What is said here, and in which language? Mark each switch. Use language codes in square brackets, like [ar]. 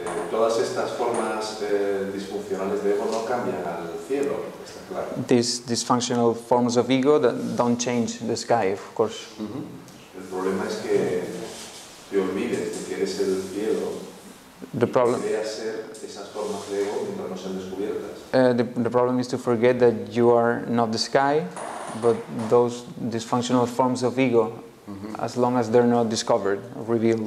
[es] Todas estas formas disfuncionales de ego no cambian al cielo, está claro. [en] These dysfunctional forms of ego that don't change the sky, of course. Mm-hmm. [es] El problema es que te olvides de que eres el cielo. [en] The problem is to forget that you are not the sky, but those dysfunctional forms of ego, as long as they're not discovered, revealed.